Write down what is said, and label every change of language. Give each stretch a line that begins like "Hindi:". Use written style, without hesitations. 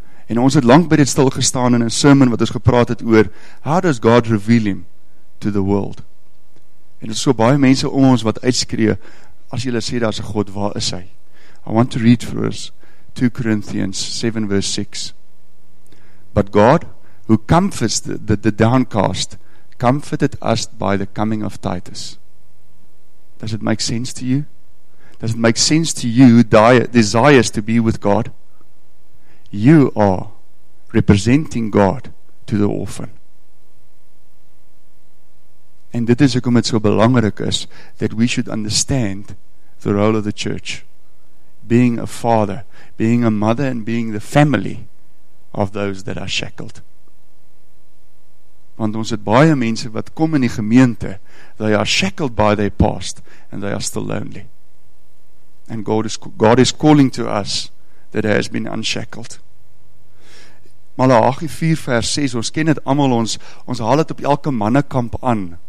Afrikaans: En ons het lang by dit stil gestaan in 'n sermon wat ons gepraat het oor
English: how does God reveal him to the world?
Afrikaans: En het so baie mense om ons wat uitskree, as jylle sê daar is 'n God, waar is hy?
English: I want to read for us 2 Corinthians 7 verse 6. But God, who comforts the downcast, comforted us by the coming of Titus. Does it make sense to you? Does it make sense to you who desires to be with God? You are representing God to the orphan.
Afrikaans: En dit is hoekom het so belangrik is,
English: that we should understand the role of the church, being a father, being a mother, and being the family of those that are shackled.
Afrikaans: Want ons het baie mense wat kom in die gemeente,
English: they are shackled by their past, and they are still lonely. And God is calling to us that has been unshackled.
Afrikaans: Malachi 4 vers 6, ons ken het allemaal, ons haal het op elke mannekamp aan.